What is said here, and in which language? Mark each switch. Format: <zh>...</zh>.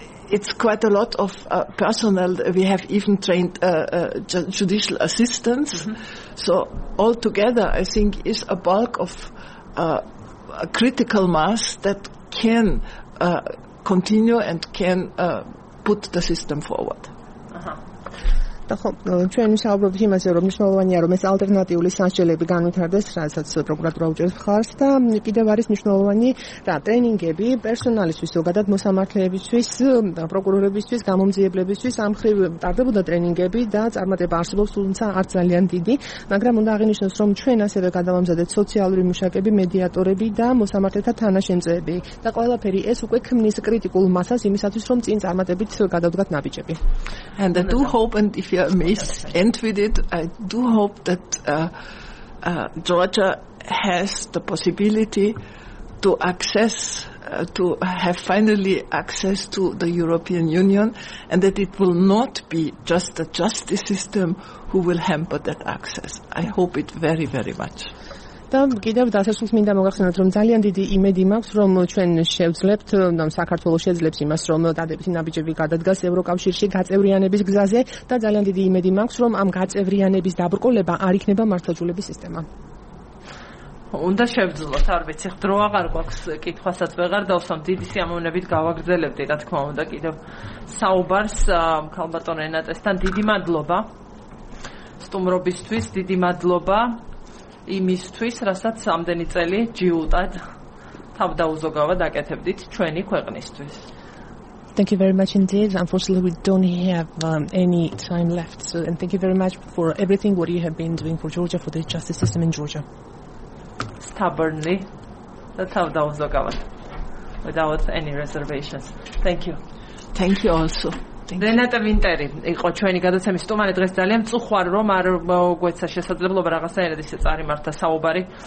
<en>It's quite a lot of personnel. We have even trained judicial assistants. Mm-hmm. So altogether, I think, is a bulk of a critical mass that can continue and can put the system forward.</en> <ka>Და ხო, ჩვენ ვისაუბრებთ იმაზე, რომ მნიშვნელოვანია, რომ ეს ალტერნატიული სასჯელები განვითარდეს, რასაც პროკურატურა უჭერს მხარს და კიდევ არის მნიშვნელოვანი რა, ტრენინგები პერსონალისთვის, ზოგადად მოსამართლეებისთვის, პროკურორებისთვის, გამომძიებლებისთვის, ამხრივ ტარდებოდა ტრენინგები და წარმატება არსებობს, თუმცა არ ძალიან დიდი, მაგრამ უნდა აღინიშნოს, რომ ჩვენ ასევე გადავამზადეთ სოციალური მუშაკები, მედიატორები და მოსამართლეთა თანაშემწეები და ყველაფერი ეს უკვე ქმნის კრიტიკულ მასას იმისათვის, რომ წინ წარმატებით გადავდგათ ნაბიჯები.</ka> <en>And I do hope and if you are amazed with it, I do hope that Georgia has the possibility to access, to have finally access to the European Union, and that it will not be just the justice system who will hamper that access. I hope it very, very much.</en> <ka>და კიდევ დასასრულს მინდა მოგახსენოთ, რომ ძალიან დიდი იმედი მაქვს, რომ ჩვენ შევძლებთ, რომ საქართველოს შეძლებს იმას, რომ დადებითი ნაბიჯები გადადგას ევროკავშირში გაწევრიანების გზაზე და ძალიან დიდი იმედი მაქვს, რომ ამ გაწევრიანების დაბრკოლება არ იქნება მართლმადიდებლური სისტემა. უნდა შევძლოთ, არ ვიცი, დრო აღარ გვაქვს კითხვასაც ვეღარ დავსვამ, დიდი სიამოვნებით გავაგრძელებდი, რა თქმა უნდა, კიდევ საუბარს ქალბატონ ენატესთან. დიდი მადლობა სტუმრობისთვის, დიდი მადლობა იმისთვის, რასაც ამდენი წელი ჯიუტად თავდაუზოგავად დაკეთებდით ჩვენი ქვეყნისთვის.</ka> <en>Thank you very much indeed. Unfortunately, we don't have any time left. So, and thank you very much for everything what you have been doing for Georgia, for the justice system in Georgia. Stubbornly</en> <ka>და თავდაუზოგავად.</ka> <en>Without any reservations. Thank you. Thank you also.</en> <ka>რენატა ვინტერი იყო ჩვენი გადაცემის სტუმარი. დღეს ძალიან წუხვარ რომ არ გვეცა შესაძლებლობა რაღაცნაირად ისე წარიმართა საუბარი.</ka>